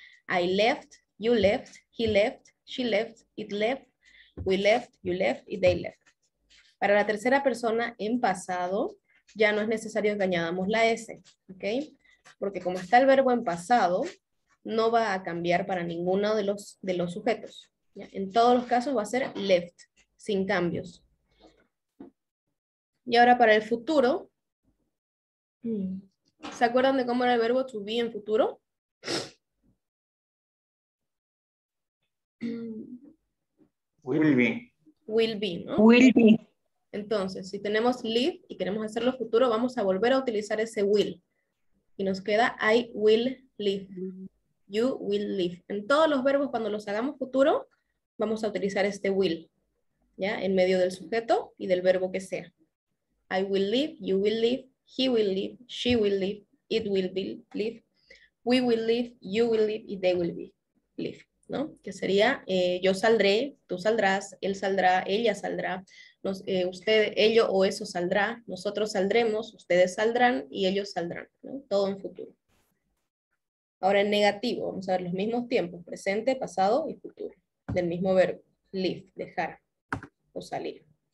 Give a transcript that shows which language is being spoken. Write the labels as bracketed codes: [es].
[en] I left, you left, he left, she left, it left, we left, you left, y they left. [es] Para la tercera persona en pasado, ya no es necesario que añadamos la S, ¿ok? Porque como está el verbo en pasado, no va a cambiar para ninguno de los sujetos, ¿ya? En todos los casos va a ser left, sin cambios. Y ahora para el futuro, ¿se acuerdan de cómo era el verbo to be en futuro? [en] Will be. Will be, ¿no? Will be. [es] Entonces, si tenemos live y queremos hacerlo futuro, vamos a volver a utilizar ese will. Y nos queda [en] I will live. You will live. [es] En todos los verbos, cuando los hagamos futuro, vamos a utilizar este will. ¿Ya? En medio del sujeto y del verbo que sea. [en] I will live, you will live, he will live, she will live, it will be live, we will live, you will live, y they will be live, ¿no? [es] Que sería, yo saldré, tú saldrás, él saldrá, ella saldrá, usted, ello o eso saldrá, nosotros saldremos, ustedes saldrán y ellos saldrán, ¿no? Todo en futuro. Ahora en negativo, vamos a ver los mismos tiempos, presente, pasado y futuro, del mismo verbo, live, dejar o salir.